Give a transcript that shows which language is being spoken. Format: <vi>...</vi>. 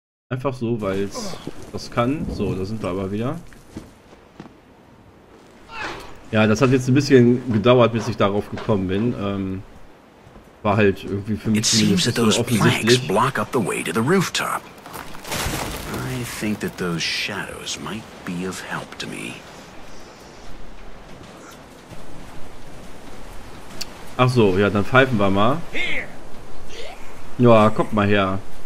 <de>Einfach so, weil es das kann. So, da sind wir aber wieder. Ja, das hat jetzt ein bisschen gedauert, bis ich darauf gekommen bin. War halt irgendwie für mich zumindest nicht so offensichtlich.</de> <en>Block up the way to the rooftop. I think that those shadows might be of help to me.</en> <de>Ach so, ja, dann pfeifen wir mal. Ja, komm mal her.</de>